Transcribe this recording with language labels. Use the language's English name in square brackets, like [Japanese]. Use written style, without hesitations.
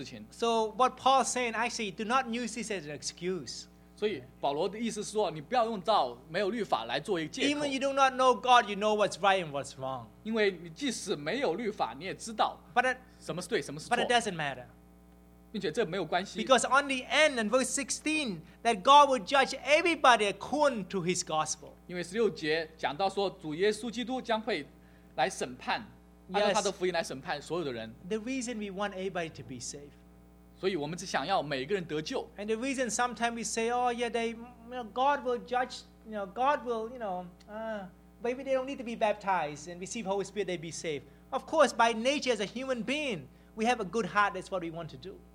[English] So what Paul's saying, actually, do not use this as an excuse. [Chinese] 所以保罗的意思是说，你不要用到没有律法来做一个借口。 [English] Even you do not know God, you know what's right and what's wrong. [Chinese] 因为你即使没有律法，你也知道 什么是对，什么是错。 [English] But it doesn't matter. [Chinese] 并且这没有关系。 [English] Because on the end, in verse 16, that God will judge everybody according to his gospel. [Chinese] 因为16节讲到说，主耶稣基督将会来审判， [English] yes, [Chinese] 按照他的福音来审判所有的人。 [English] The reason we want everybody to be saved. [Chinese] 所以我们只想要每个人得救。 [English] And the reason sometimes we say, oh yeah, they, you know, God will judge, you know, God will, you know, maybe they don't need to be baptized and receive Holy Spirit, they'd be saved. Of course, by nature as a human being, we have a good heart, that's what we want to do.